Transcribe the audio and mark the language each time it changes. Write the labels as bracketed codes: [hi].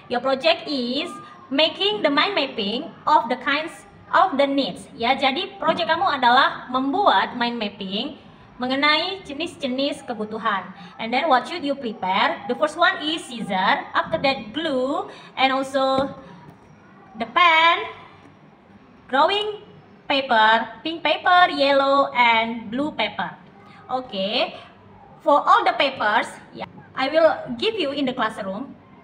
[en] Your project is making the mind mapping of the kinds of the needs. [id] Ya, jadi project kamu adalah membuat mind mapping mengenai jenis-jenis kebutuhan. [en] And then what should you prepare? The first one is scissor, after that glue, and also the pen, drawing paper, pink paper, yellow, and blue paper. Okay, for all the papers, yeah, I will give you in the classroom.